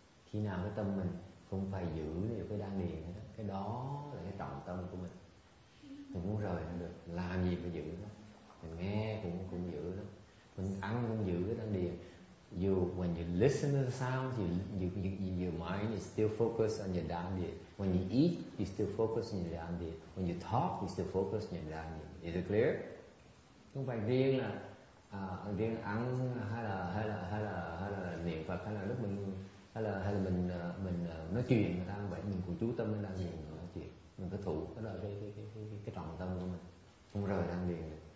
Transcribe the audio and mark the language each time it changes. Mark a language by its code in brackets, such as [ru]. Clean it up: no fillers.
[vi] Khi nào cái tâm mình không phải giữ được cái đan điền đó, cái đó là cái trọng tâm của mình. Mình muốn rời không được, làm gì mà giữ đó. Mình nghe cũng giữ đó. Mình ăn cũng giữ cái đan điền. [en] Dù when you listen to the sound, your mind is still focused on your đan điền. When you eat, you still focus on your đan điền. When you talk, you still focus on your đan điền. Is it clear? [vi] Không phải riêng là riêng ăn hay là niệm Phật hay là mình nói chuyện người ta vậy, mình cũng chú tâm mình đang niệm nói chuyện, mình cứ thủ cái đó cái trọng tâm của mình không rời đang niệm.